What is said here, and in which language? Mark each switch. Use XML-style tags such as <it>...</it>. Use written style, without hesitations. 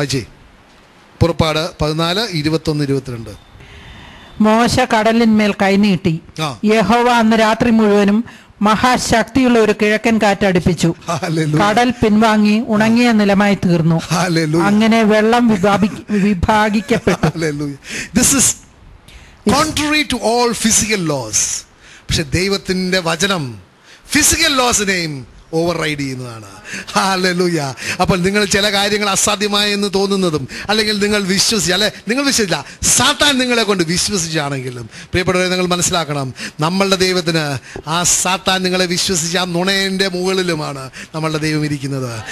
<ml>വാജേ, പുറപ്പാട് 14:21-22. മോശ കടലിന്മേൽ കൈനീട്ടി, യഹോവ അന്ന് രാത്രി മുഴുവനും മഹാശക്തിയുള്ള ഒരു കിഴക്കൻ കാറ്റടിപ്പിച്ചു, കടൽ പിൻവാങ്ങി ഉണങ്ങിയ നിലമായി തീർന്നു, അങ്ങനെ വെള്ളം വിഭാഗിക്കപ്പെട്ടു.</ml> <en>This is contrary to all physical laws.</en> <ml>പക്ഷെ ദൈവത്തിന്റെ വചനം physical laws-നെയും ഓവർറൈഡ് ചെയ്യുന്നതാണ്. ഹല്ലേലൂയ. അപ്പോൾ നിങ്ങൾ ചില കാര്യങ്ങൾ അസാധ്യമായി എന്ന് തോന്നുന്നതും അല്ലെങ്കിൽ നിങ്ങൾ വിശ്വസിച്ച് അല്ലെ, നിങ്ങൾ വിശ്വസിച്ചില്ല, സാത്താൻ നിങ്ങളെ കൊണ്ട് വിശ്വസിച്ചാണെങ്കിലും പ്രിയപ്പെട്ടവരെ നിങ്ങൾ മനസ്സിലാക്കണം, നമ്മളുടെ ദൈവത്തിന് ആ സാത്താൻ നിങ്ങളെ വിശ്വസിച്ച് ആ നുണേൻ്റെ മുകളിലുമാണ് നമ്മളുടെ ദൈവം ഇരിക്കുന്നത്.</ml>